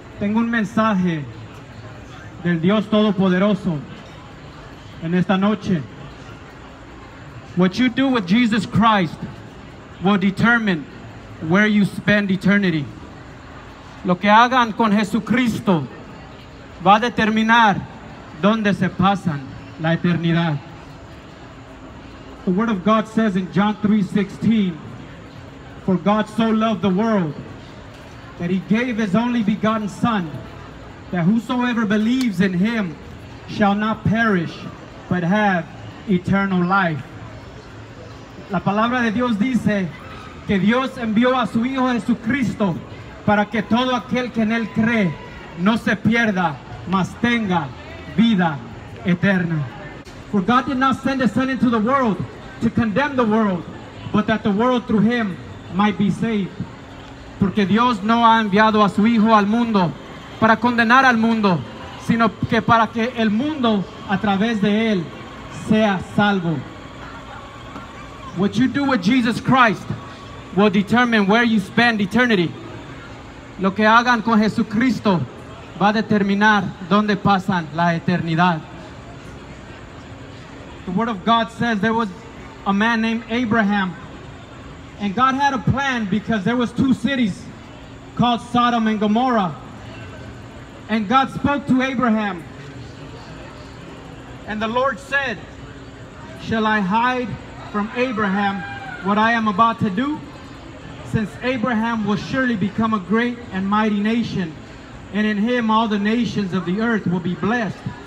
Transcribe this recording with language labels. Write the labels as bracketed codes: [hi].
[es] Tengo un mensaje del Dios Todopoderoso en esta noche. [en] What you do with Jesus Christ will determine where you spend eternity. [es] Lo que hagan con Jesucristo va a determinar dónde se pasan la eternidad. [en] The word of God says in John 3:16, for God so loved the world that he gave his only begotten son, that whosoever believes in him shall not perish but have eternal life. [es] La palabra de Dios dice que Dios envió a su Hijo Jesucristo para que todo aquel que en él cree no se pierda, mas tenga vida eterna. [en] For God did not send his son into the world to condemn the world, but that the world through him might be saved. [es] Porque Dios no ha enviado a su Hijo al mundo para condenar al mundo, sino que para que el mundo a través de él sea salvo. [en] What you do with Jesus Christ will determine where you spend eternity. [es] Lo que hagan con Jesucristo va a determinar dónde pasan la eternidad. [en] The word of God says there was a man named Abraham, and God had a plan because there was two cities called Sodom and Gomorrah. And God spoke to Abraham, and the Lord said, shall I hide from Abraham what I am about to do, since Abraham will surely become a great and mighty nation, and in him all the nations of the earth will be blessed.